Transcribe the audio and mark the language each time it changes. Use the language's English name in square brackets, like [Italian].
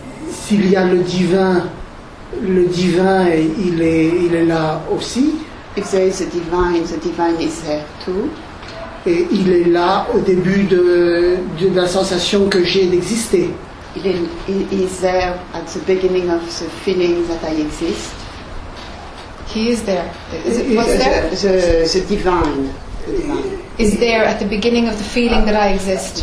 [French] S'il y a le divin, il est là aussi. [English] If there is a divine, the divine is there too. [French] Et il est là au début de la sensation que j'ai d'exister. [English] He is there at the beginning of the feeling that I exist. He is there. The divine. Is there at the beginning of the feeling that I exist?